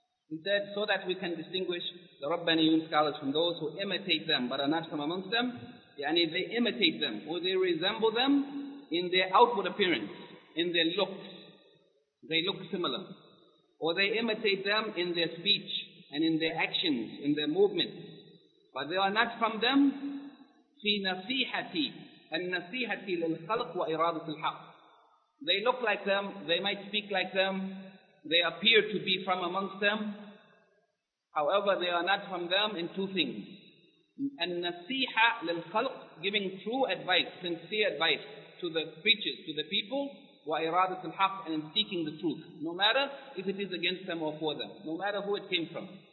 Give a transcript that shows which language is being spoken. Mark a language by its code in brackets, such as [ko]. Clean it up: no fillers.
[en] He said, so that we can distinguish the Rabbaniyun scholars from those who imitate them but are not from amongst them, yani they imitate them or they resemble them in their outward appearance, in their looks, they look similar. Or they imitate them in their speech and in their actions, in their movements, but they are not from them. [ar] في نصيحتي النصيحتي للخلق وإرادة الحق. [en] They look like them, they might speak like them, they appear to be from amongst them. However, they are not from them in two things. [ar] النصيحة للخلق, [en] giving true advice, sincere advice to the preachers, to the people, [ar] وإرادة الحق, [en] and seeking the truth, no matter if it is against them or for them, no matter who it came from.